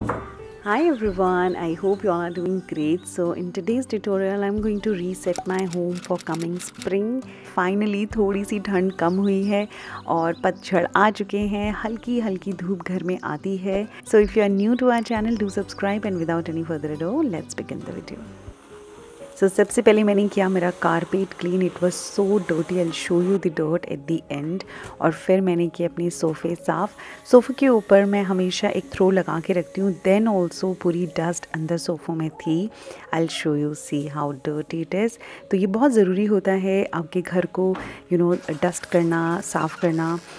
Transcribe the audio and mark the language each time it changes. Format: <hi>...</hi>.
<en>Hi everyone, I hope you all are doing great. So in today's tutorial, I'm going to reset my home for coming spring.</en> <hi>Finally, थोड़ी सी ठंड कम हुई है और पतझड़ आ चुके हैं. हल्की हल्की धूप घर में आती है.</hi> <en>So if you are new to our channel, do subscribe and without any further ado, let's begin the video.</en> <hi>So सबसे पहले मैंने किया मेरा carpet clean.</hi> <en>It was so dirty. I will show you the dirt at the end.</en> <hi>और फिर मैंने किए अपने सोफ़े साफ़. सोफ़े के ऊपर मैं हमेशा एक थ्रो लगा के रखती हूँ.</hi> <en>then also</en> <hi>पूरी डस्ट अंदर सोफ़ों में थी.</hi> <en>I will show you see how dirty it is.</en> <hi>तो ये बहुत ज़रूरी होता है आपके घर को यू नो डस्ट करना, साफ़ करना.</hi>